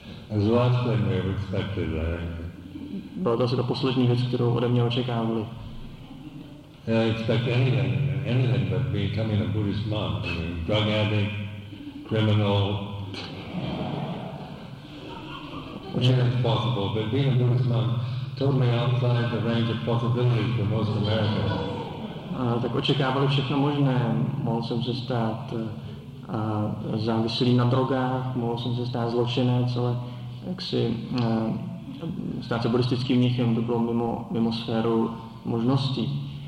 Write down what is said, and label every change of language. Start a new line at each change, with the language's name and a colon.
English: It was the last thing we ever expected, I
Czech: Bylo to asi ta poslední věc, kterou ode mě očekávali.
English: Yeah, I expect anything but becoming a Buddhist monk. I mean, drug addict, criminal. Anything's possible, but being a Buddhist monk totally outside the range of possibilities for most Americans.
Czech: Tak očekávali všechno možné. Mohl jsem se stát závislý na drogách, mohl jsem se stát zločinec, ale jaksi stát se buddhistickým mnichem, to bylo mimo sféru možností.